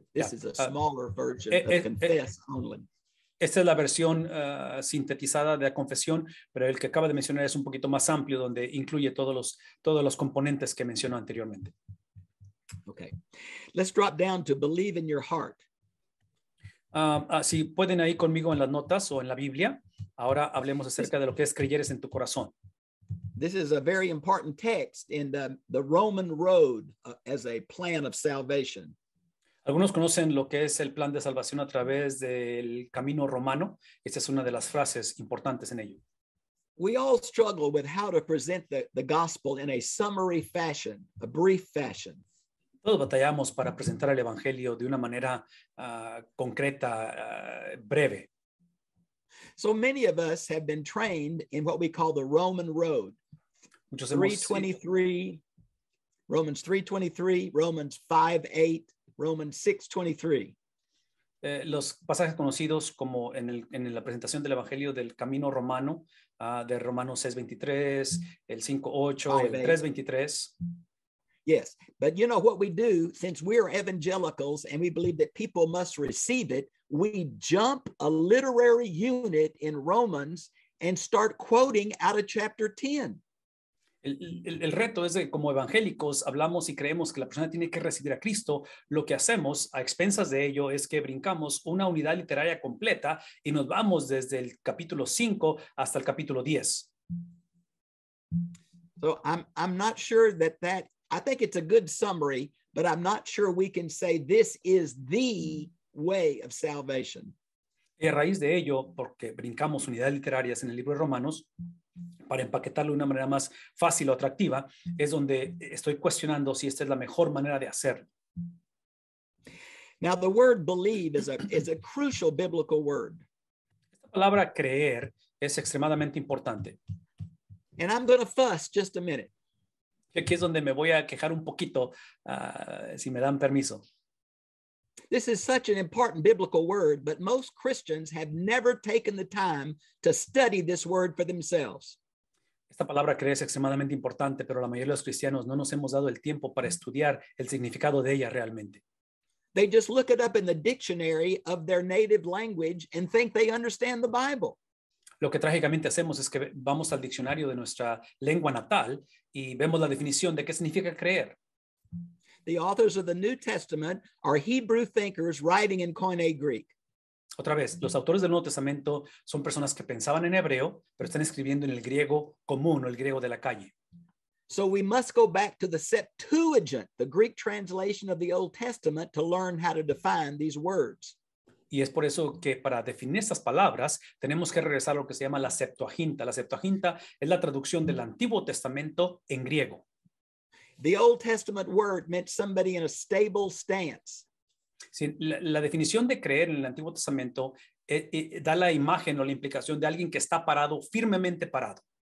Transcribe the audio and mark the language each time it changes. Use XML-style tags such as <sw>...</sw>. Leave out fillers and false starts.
<en>This is a smaller version of Confess only.</en> <es>Esta es la versión sintetizada de la confesión, pero el que acaba de mencionar es un poquito más amplio, donde incluye todos los componentes que mencionó anteriormente.</es> <en>Okay. Let's drop down to believe in your heart.</en> <es>Si pueden ahí conmigo en las notas o en la Biblia, ahora hablemos acerca de lo que es creyeres en tu corazón.</es> <en>This is a very important text in the Roman road as a plan of salvation.</en> <es>Algunos conocen lo que es el plan de salvación a través del camino romano. Esta es una de las frases importantes en ello.</es> <en>We all struggle with how to present the gospel in a summary fashion, a brief fashion.</en> <es>Todos batallamos para presentar el evangelio de una manera concreta, breve.</es> <en>So many of us have been trained in what we call the Roman road.</en> <es>Muchos</es> <en>3:23, Romans 5:8. Romans 6:23.</en> <es>Los pasajes conocidos como en la presentación del Evangelio del Camino Romano, de Romanos 6:23, el 5:8, el 3:23.</es> <en>Yes, but you know what we do, since we are evangelicals and we believe that people must receive it, we jump a literary unit in Romans and start quoting out of chapter 10.</en> <es>El reto es de, como evangélicos, hablamos y creemos que la persona tiene que recibir a Cristo. Lo que hacemos a expensas de ello es que brincamos una unidad literaria completa y nos vamos desde el capítulo 5 hasta el capítulo 10.</es> <en>So I'm not sure that I think it's a good summary, but I'm not sure we can say this is the way of salvation.</en> <es>Y a raíz de ello, porque brincamos unidades literarias en el libro de Romanos, para empaquetarlo de una manera más fácil o atractiva, es donde estoy cuestionando si esta es la mejor manera de hacerlo.</es> <en>Now, the word believe is a crucial biblical word.</en> <es>La palabra creer es extremadamente importante.</es> <en>And I'm going to fuss just a minute.</en> <es>Aquí es donde me voy a quejar un poquito, si me dan permiso.</es> <en>This is such an important biblical word, but most Christians have never taken the time to study this word for themselves.</en> <es>Esta palabra creer es extremadamente importante, pero la mayoría de los cristianos no nos hemos dado el tiempo para estudiar el significado de ella realmente.</es> <en>They just look it up in the dictionary of their native language and think they understand the Bible.</en> <es>Lo que trágicamente hacemos es que vamos al diccionario de nuestra lengua natal y vemos la definición de qué significa creer.</es> <en>The authors of the New Testament are Hebrew thinkers writing in Koine Greek.</en> <es>Otra vez, los autores del Nuevo Testamento son personas que pensaban en hebreo, pero están escribiendo en el griego común o el griego de la calle.</es> <en>So we must go back to the Septuagint, the Greek translation of the Old Testament, to learn how to define these words.</en> <es>Y es por eso que para definir estas palabras tenemos que regresar a lo que se llama la Septuaginta. La Septuaginta es la traducción del Antiguo Testamento en griego.</es> <en>The Old Testament word meant somebody in a stable stance.</en> <es>Sí, la definición de creer en el Antiguo Testamento da la imagen o la implicación de alguien que está parado, firmemente parado.</es>